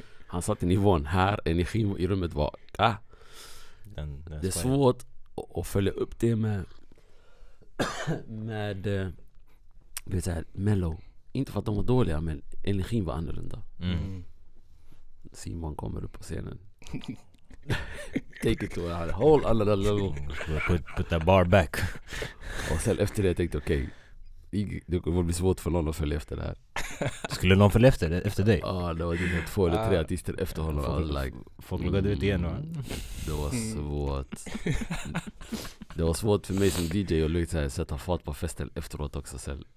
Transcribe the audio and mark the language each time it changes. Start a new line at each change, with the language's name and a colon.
Swedish: Han satte nivån här, energin i rummet var den det är svårt. Och följa upp det med med vet så här, mellow. Inte för att de var dåliga, men energin var annorlunda. Mm. Simon kommer upp på scenen.
English: Take it to a whole another level. Put that bar back.
Swedish: Och sen efter det tänkte jag, okej, det kommer bli svårt för någon att följa efter det här. Skulle någon följa efter det, efter dig? Ja, det var dina två eller tre artister efter honom. Folk loggade ut igen. Det var svårt. Det var svårt för mig som DJ att sätta fart på festen efteråt också sen.